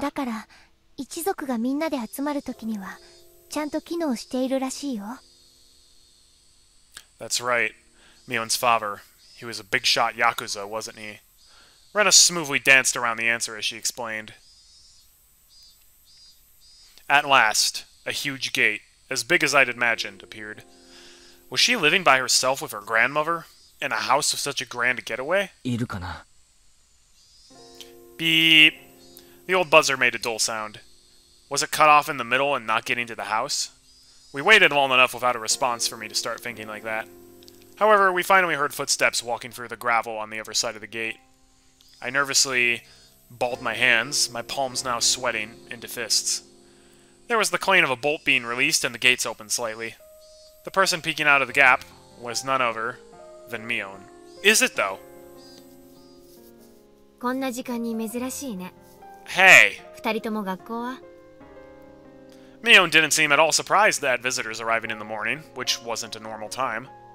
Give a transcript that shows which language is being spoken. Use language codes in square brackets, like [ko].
[ja] だから、一族がみんなで集まる時にはちゃんと機能しているらしいよ。 [en] That's right. Mion's father. He was a big-shot Yakuza, wasn't he? Rena smoothly danced around the answer as she explained. At last, a huge gate, as big as I'd imagined, appeared. Was she living by herself with her grandmother? In a house of such a grand getaway? [ja] いるかな? [en] Beep. The old buzzer made a dull sound. Was it cut off in the middle and not getting to the house? We waited long enough without a response for me to start thinking like that. However, we finally heard footsteps walking through the gravel on the other side of the gate. I nervously balled my hands, my palms now sweating, into fists. There was the clang of a bolt being released and the gates opened slightly. The person peeking out of the gap was none other than Mion. Is it though? [ja] こんな時間に珍しいね。 [en] Hey! Mion didn't seem at all surprised at visitors arriving in the morning, which wasn't a normal time.